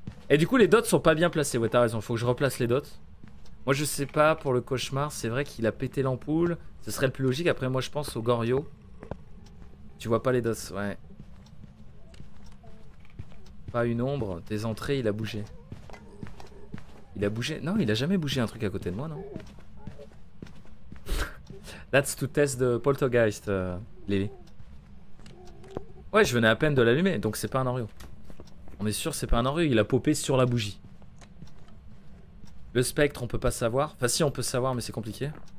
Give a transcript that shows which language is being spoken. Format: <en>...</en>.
<fr>Et du coup les dots sont pas bien placés, ouais t'as raison, faut que je replace les dots. Moi je sais pas, pour le cauchemar, c'est vrai qu'il a pété l'ampoule. Ce serait le plus logique, après moi je pense au Gorio. Tu vois pas les dots, ouais. Pas une ombre, des entrées, il a bougé. Il a bougé, non il a jamais bougé un truc à côté de moi, non.</fr> <en>That's to test the poltergeist, Lily.</en> <fr>Ouais, je venais à peine de l'allumer, donc c'est pas un Oreo. On est sûr, c'est pas un Oreo, il a popé sur la bougie. Le spectre, on peut pas savoir. Enfin, si, on peut savoir, mais c'est compliqué.</fr>